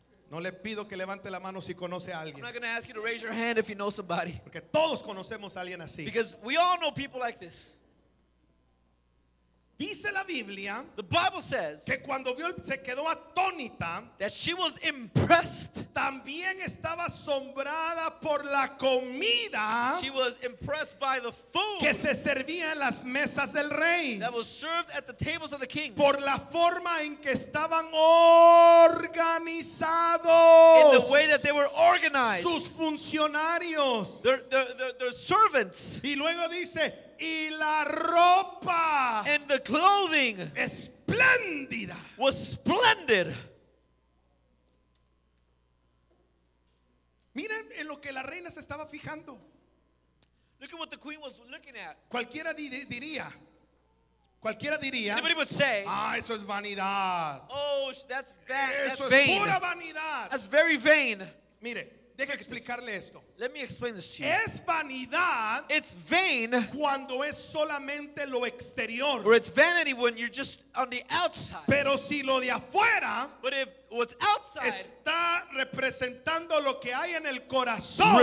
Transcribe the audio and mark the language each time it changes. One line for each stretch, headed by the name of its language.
Spanish: No le pido que levante la mano si conoce a alguien.
English: I'm not going to ask you to raise your hand if you know somebody.
Spanish: Porque todos conocemos a alguien así.
English: Because we all know people like this.
Spanish: Dice la Biblia,
English: the Bible says,
Spanish: que cuando vio se quedó atónita,
English: that she was impressed.
Spanish: También estaba asombrada por la comida,
English: she was impressed by the food,
Spanish: que se servía en las mesas del rey,
English: that was served at the tables of the king,
Spanish: por la forma en que estaban organizados,
English: in the way that they were organized,
Spanish: sus funcionarios,
English: their servants,
Spanish: y luego dice. Y la ropa
English: and the clothing
Spanish: esplendida
English: was splendid.
Spanish: Miren en lo que la reina se estaba fijando.
English: Look at what the queen was looking at.
Spanish: Cualquiera diría.
English: Anybody would say,
Spanish: ah, eso es vanidad.
English: Oh, that's vain.
Spanish: Eso
English: that's vain.
Spanish: Es pura vanidad.
English: That's very vain.
Spanish: Mire. Deja explicarle esto.
English: Let me explain this to you.
Spanish: Es vanidad.
English: It's vain.
Spanish: Cuando es solamente lo exterior.
English: Or it's vanity when you're just on the outside.
Spanish: Pero si lo de afuera.
English: But if what's outside.
Spanish: Está representando lo que hay en el corazón.